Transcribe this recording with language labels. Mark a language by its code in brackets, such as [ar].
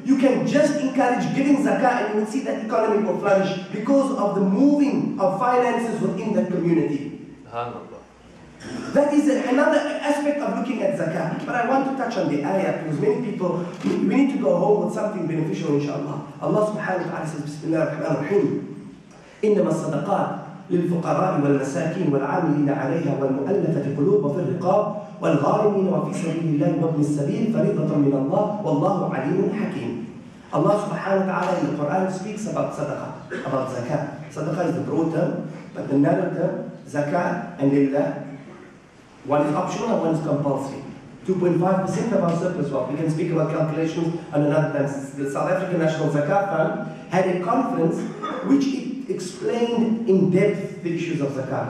[en] You can just encourage giving zakat, and you will see that economy will flourish because of the moving of finances within that community. That is another aspect of looking at zakat. But I want to touch on the ayah, because many people, we need to go home with something beneficial, inshaAllah. [ar] Allah subhanahu wa ta'ala says, Bismillah ar-Rahman ar-Rahim, إِنَّمَا الصَّدَقَاتِ لِلْفُقَرَاءِ وَالْمَسَاكِينِ وَالْعَامِلِينَ عَلَيْهَا وَالْمُؤَلَّفَةِ قُلُوبَ وَفِي الرِّقَابِ وَالْغَارِمِينَ وَفِي سَبِيلِ اللَّهِ وَابْنِ السَّبِيلِ فَرِيضَةً مِنَ اللَّهِ وَاللَّهُ عَلِيمٌ حَكِيمٌ. [en] Allah subhanahu wa ta'ala in the Quran speaks about sadaqah, about zakat. Sadaqah is the broad term, but the narrow term, zakat and lillah. One is optional and one is compulsory. 2.5% of our surplus wealth. We can speak about calculations on another time. The South African National Zakat Fund had a conference which it explained in depth the issues of zakat.